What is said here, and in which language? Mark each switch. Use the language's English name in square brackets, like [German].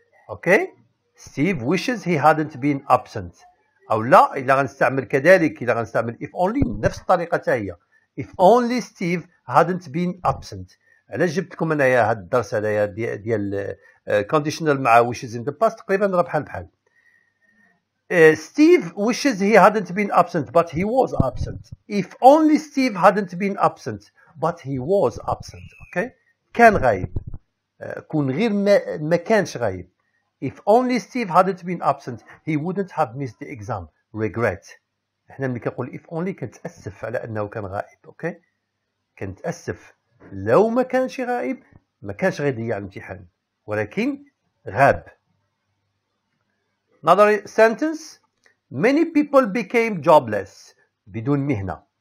[English] Okay, Steve wishes he hadn't been absent. [Arabic] او لا، الا غنستعمل كذلك، الا غنستعمل if only نفس الطريقة حتى هي. [English] If only Steve hadn't been absent. [Arabic] علاش جبت لكم انايا هذا الدرس هذايا ديال conditional مع [English] wishes in the past؟ [Arabic] تقريبا راه بحال. [English] Steve wishes he hadn't been absent but he was absent. If only Steve hadn't been absent but he was absent. [Arabic] Okay, كان غايب، كون غير ما كانش غايب. [English] If only Steve hadn't been absent he wouldn't have missed the exam. [Arabic] Regret، احنا ملي كنقول if only كنتاسف على انه كان غايب. Okay، كنتأسف لو ما كانش غائب ما كانش غيضيع الامتحان، ولكن غاب. [English] Another sentence: Many people became jobless. [Arabic] بدون مهنة.